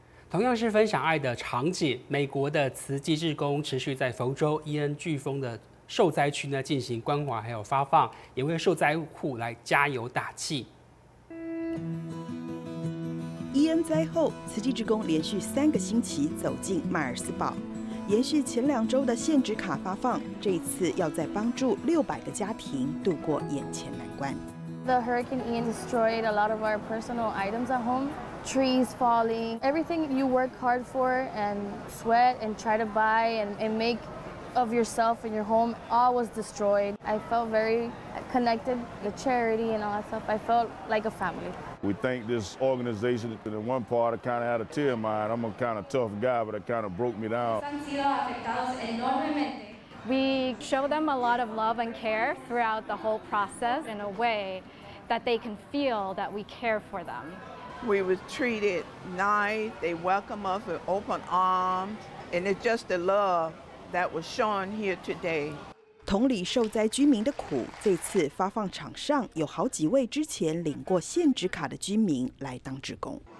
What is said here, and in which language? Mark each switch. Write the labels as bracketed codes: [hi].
[zh] 同样是分享爱的场景，美国的慈济志工持续在佛州伊恩飓风的受灾区呢进行关怀，还有发放，也为受灾户来加油打气。伊恩灾后，慈济志工连续三个星期走进马尔斯堡，延续前两周的限制卡发放，这一次要再帮助600个家庭度过眼前难关。 [en] The hurricane Ian destroyed a lot of our personal items at home. Trees falling, everything you work hard for and sweat and try to buy and make of yourself and your home, all was destroyed. I felt very connected, the charity and all that stuff. I felt like a family. We thank this organization. In one part, I kind of had a tear in my eye. I'm a kind of tough guy, but it kind of broke me down. We show them a lot of love and care throughout the whole process in a way that they can feel that we care for them. We were treated nice. They welcome us with open arms. And it's just the love that was shown here today. [zh] 同理受灾居民的苦，这次发放场上有好几位之前领过限制卡的居民来当志工。